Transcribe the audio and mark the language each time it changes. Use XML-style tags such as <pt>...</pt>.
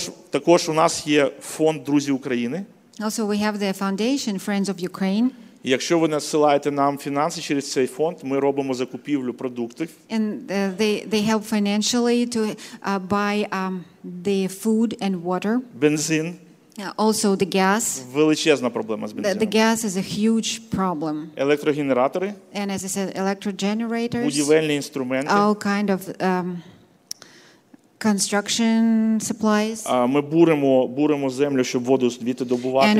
<uk>Також у нас є фонд «Друзі України».</uk> <en>Also, we have the foundation «Friends of Ukraine».</en> <uk>Якщо ви надсилаєте нам фінанси через цей фонд, ми робимо закупівлю продуктів.</uk> <en>And they help financially to buy the food and water.</en> <uk>Бензин.</uk> <en>Also the gas.</en> <uk>Величезна проблема з бензином.</uk> <en>The gas is a huge problem.</en> <uk>Електрогенератори.</uk> <en>And as I said, electrogenerators.</en> <uk>Будівельні інструменти.</uk> <en>All kind of construction supplies.</en> <uk>Ми буримо землю, щоб воду звідти добувати.</uk>